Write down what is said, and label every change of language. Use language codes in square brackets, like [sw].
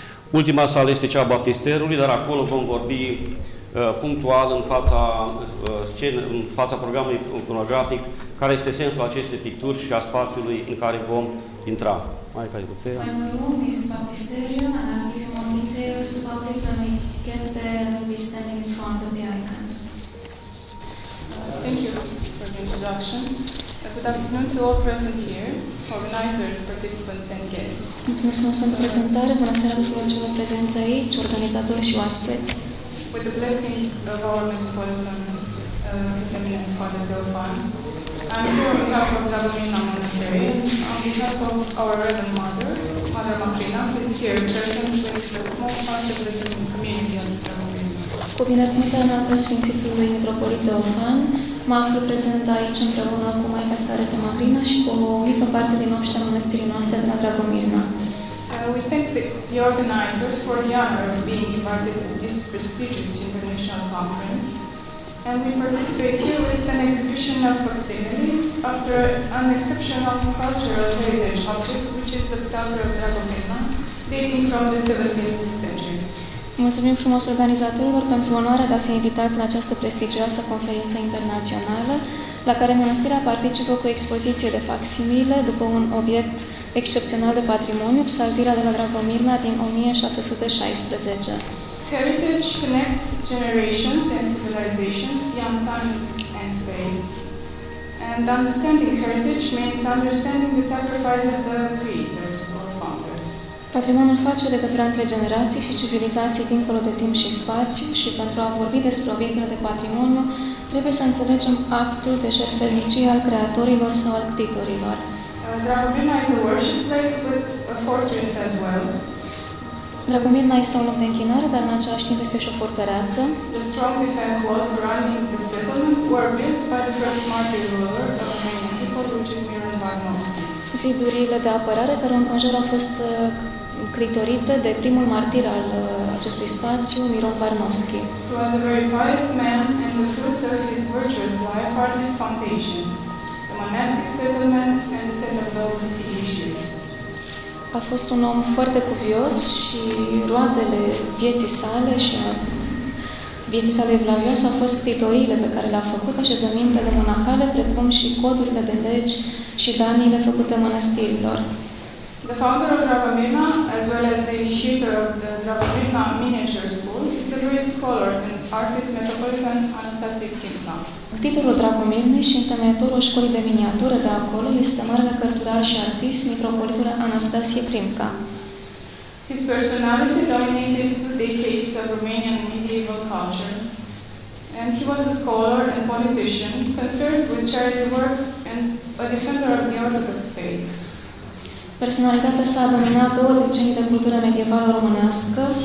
[ro] Ultima sală este cea a baptisterului, dar acolo vom vorbi punctual în fața scenei, în fața programului iconografic, care este sensul acestei picturi și a spațiului în care vom intra. Mai care putea. [en] Final room is baptisterium, and I'll give you more details about it when we get there and we'll be standing in front of the icons. Thank you for the introduction. Good afternoon to all present here, organizers, participants and guests. [ro] Mulțumesc mult pentru prezentare. Bună seara tuturor celor prezenți aici, organizatori și oaspeți. [en] With the blessing of our Metropolitan His Eminence Father Dauphin, I'm here on behalf of Dragomirna Monastery, on behalf of our Reverend Mother, Mother Macrina, who is here present with a small part of the community of Dragomirna. [ro] Cu binecuvântarea mea preasfințitului Metropolit Dauphin, mă aflu prezent aici împreună cu Maica Stareța Macrina și cu o mică parte din oștea mănăstirii noastre de la Dragomirna. [en] We thank the organizers for the honor of being invited to this prestigious international conference. And we participate here with an exhibition of facsimiles after an exceptional cultural heritage object, which is the Psalter of Dragomir, dating from the 17th century. [ro] Mulțumim frumos organizatorilor pentru onoarea de a fi invitați la această prestigioasă conferință internațională, la care mănăstirea participă cu expoziție de facsimile după un obiect excepțional de patrimoniu, Psaltirea de la Dragomirna din 1616. [en] Heritage connects generations and civilizations beyond time and space. And understanding heritage means understanding the sacrifice of the creators or founders. [ro] Patrimoniul face legătura între generații și civilizații dincolo de timp și spațiu și pentru a vorbi despre obiectele de patrimoniu, trebuie să înțelegem actul de jertfelnicie al creatorilor sau al ctitorilor. [en] Dragomirna is a worship place, but a fortress as well. [ro] Dragomirna este un loc de închinare, dar în același timp este și o fortăreață. [en] The strong defense walls surrounding the settlement were built by the first martyr ruler of Romanian people, which is Miron Bagnovski. [ro] Zidurile de apărare care în conjur au fost ctitorite de primul martir al acestui spațiu, Miron Bagnovski. [en] He was a very pious man and the fruits of his virtuous life are his foundations, the monastic settlements and the set of those he issued. [ro] A fost un om foarte cuvios și roadele vieții sale și a vieții sale evlavioase au fost ctitoiile pe care le-a făcut așezămintele monahale, precum și codurile de legi și daniile făcute mănăstirilor. [en] The founder of Dragomirna, as well as the initiator of the Dragomirna Miniature School, is a great scholar and artist metropolitan Anastasie Kimpa. [ro] Ctitorul Dragomirnei și întemeitorul școlii de miniatură de acolo este marele cărturar și artist, mitropolitul Anastasie Kimpa. [en] His personality dominated two decades of Romanian medieval culture, and he was a scholar and politician, concerned with charity works and a defender of the Orthodox faith. [ro] Personalitatea sa a dominat două decenii de cultură medievală românească.